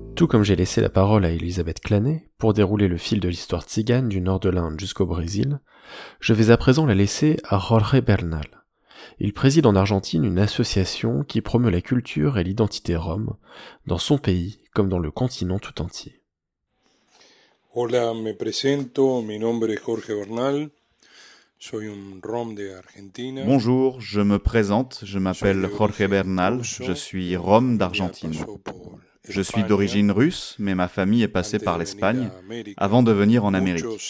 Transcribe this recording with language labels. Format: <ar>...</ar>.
<fr>Comme j'ai laissé la parole à Elisabeth Clanet pour dérouler le fil de l'histoire tzigane du nord de l'Inde jusqu'au Brésil, je vais à présent la laisser à Jorge Bernal. Il préside en Argentine une association qui promeut la culture et l'identité rome, dans son pays comme dans le continent tout entier.</fr> <es>Hola, me presento, mi nombre es Jorge Bernal. Soy un rom de Argentina.</es> <fr>Bonjour, je me présente, je m'appelle Jorge Bernal, je suis rom d'Argentine. Je suis d'origine russe, mais ma famille est passée par l'Espagne avant de venir en Amérique.</fr>